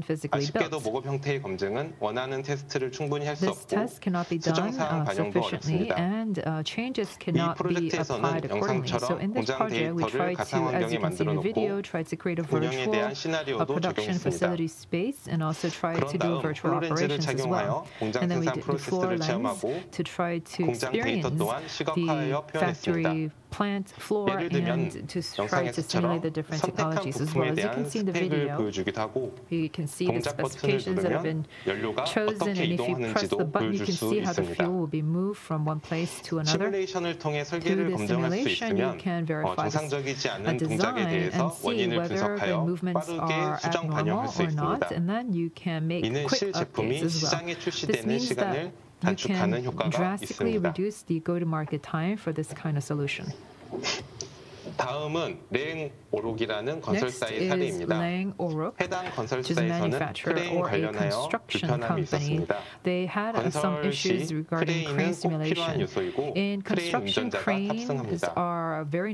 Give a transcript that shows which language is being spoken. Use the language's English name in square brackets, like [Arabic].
[Korean] 아쉽게도 모공 형태의 검증은 원하는 테스트를 충분히 할 수 없고 수정 사항 반영도 어렵습니다. 이 프로젝트에서는 영상처럼 공장 데이터를 가상환경에 만들어놓고 운영에 대한 시나리오도 적용했습니다. 그런 다음 홀로렌즈를 착용하여 공장 생산 프로세스를 체험하고 공장 데이터 또한 시각화하여 표현했습니다. [English] Plant floor and to try to simulate the different technologies as well as you can see in the video. You can see the specifications that have been chosen, and if you press the button, you can see how the fuel will be moved from one place to another. Through the simulation, you can verify a design and see whether the movements are abnormal or not, and then you can make quick updates as well. This means that you can drastically reduce the go-to-market time for this kind of solution. [Korean] 다음은 랭 오록이라는 건설사의 사례입니다. 해당 건설사에서는 크레인 관련하여 불편함이 있었습니다. 건설 시 크레인은 꼭 필요한 요소이고 크레인 운전자가 탑승합니다.